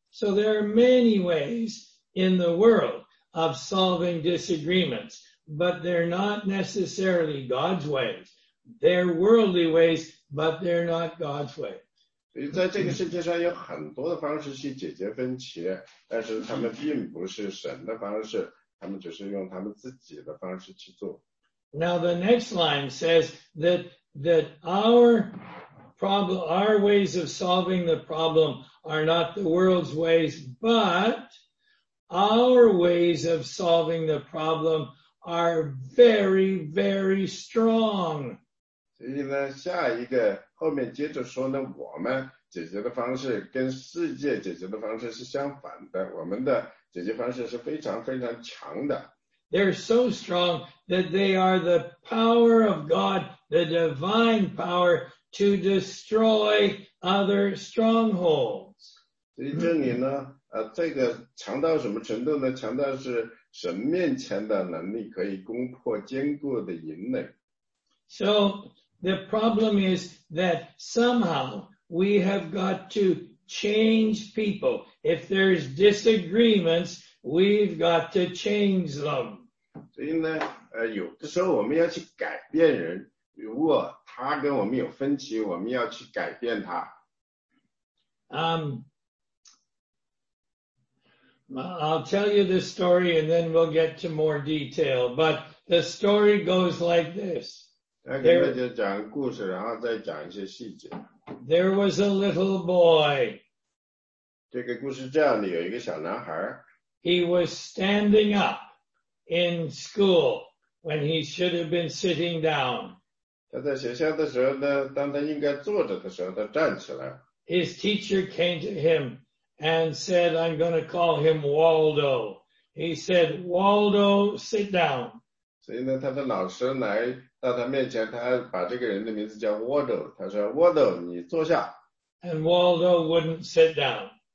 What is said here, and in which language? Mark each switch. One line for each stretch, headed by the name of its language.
English: So there are many ways in the world of solving disagreements, but they're not necessarily God's ways. They're worldly ways, but they're not God's ways.
Chinese: 所以在这个世界上有很多的方式去解决分歧，但是他们并不是神的方式，他们只是用他们自己的方式去做。
English: Now the next line says that our problem, our ways of solving the problem are not the world's ways, but our ways of solving the problem are very, very strong.
Chinese: 所以呢下一个后面接着说呢我们解决的方式跟世界解决的方式是相反的，我们的解决方式是非常非常强的。
English: They're so strong that they are the power of God, the divine power to destroy other strongholds.
Chinese: 所以这里呢这个强到什么程度呢？强到是神面前的能力可以攻破坚固的营垒。
English: So, the problem is that somehow we have got to change people. If there's disagreements, we've got to change them.
Chinese: 所以呢有的时候我们要去改变人，如果他跟我们有分歧，我们要去改变他。
English: I'll tell you the story and then we'll get to more detail, but the story goes like this. There was a little boy.
Chinese: 这个故事这样的，有一个小男孩。
English: He was standing up in school when he should have been sitting down.
Chinese: 他在学校的时候呢，当他应该坐着的时候，他站起来。
English: His teacher came to him and said, I'm going to call him Waldo. He said, Waldo, sit down.
Chinese: 所以呢，他的老师来到他面前，他把这个人的名字叫 Waldo， 他说 Waldo 你坐下。
English: And Waldo wouldn't sit down.